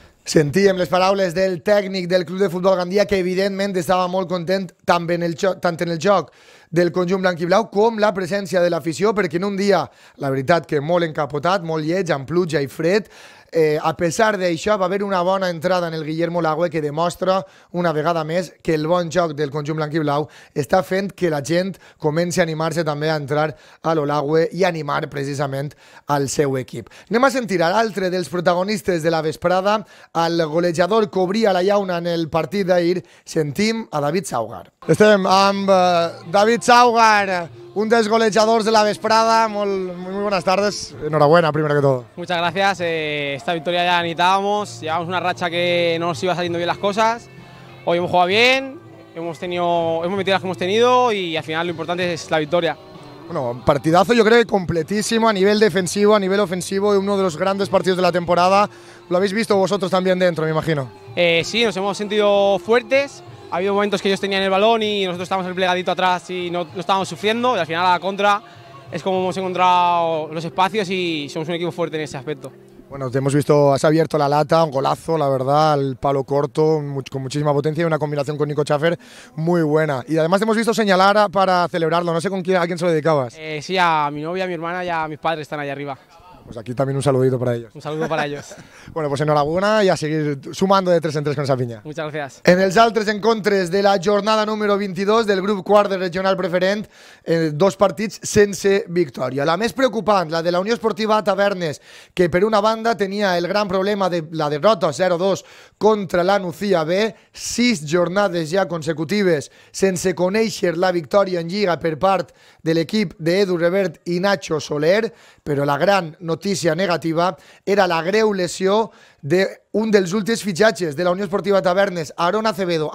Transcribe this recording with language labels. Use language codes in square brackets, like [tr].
[ca] Sentíem les paraules del tècnic del Club de Futbol Gandia, que evidentment estava molt content tant en el joc del conjunt blanc i blau com la presència de l'afició, perquè en un dia, la veritat, que molt encapotat, molt lleig, amb pluja i fred, a pesar d'això va haver una bona entrada en el Guillermo Lagüe, que demostra una vegada més que el bon joc del conjunt blanc i blau està fent que la gent comenci a animar-se també a entrar a l'Olagüe i animar precisament al seu equip. Anem a sentir a l'altre dels protagonistes de la vesprada, el golejador que obria la llauna en el partit d'ahir. Sentim a David Saugar. Estem amb David Saugar, un dels golejadors de la vesprada. [es] Muy buenas tardes, enhorabuena primero que todo. Muchas gracias, esta victoria ya la necesitábamos, llevábamos una racha que no nos iba saliendo bien las cosas. Hoy hemos jugado bien, hemos metido las que hemos tenido y al final lo importante es la victoria. Bueno, partidazo yo creo que completísimo a nivel defensivo, a nivel ofensivo, uno de los grandes partidos de la temporada. Lo habéis visto vosotros también dentro, me imagino. Sí, nos hemos sentido fuertes. Ha habido momentos que ellos tenían el balón y nosotros estábamos el plegadito atrás y no estábamos sufriendo. Y al final, a la contra, es como hemos encontrado los espacios y somos un equipo fuerte en ese aspecto. Bueno, te hemos visto, has abierto la lata, un golazo, la verdad, el palo corto, con muchísima potencia y una combinación con Nico Schaffer muy buena. Y además te hemos visto señalar para celebrarlo, no sé con quién, a quién se lo dedicabas. Sí, a mi novia, a mi hermana y a mis padres están allá arriba. Pues aquí también un saludito para ellos. Un saludo para ellos. Bueno, pues enhorabuena y a seguir sumando de 3-3 con esa piña. Muchas gracias. [ca] En els altres encontres de la jornada número 22 del grup quart de regional preferent, dos partits sense victòria. La més preocupant, la de la Unió Esportiva Tavernes, que per una banda tenia el gran problema de la derrota 0-2 contra la Nucía B, 6 jornades ja consecutives sense conèixer la victòria en Lliga per part de l'equip d'Edu Revert i Nacho Soler, però la gran notícia negativa era la greu lesió d'un dels últims fitxatges de la Unió Esportiva Tavernes, Aaron Acevedo.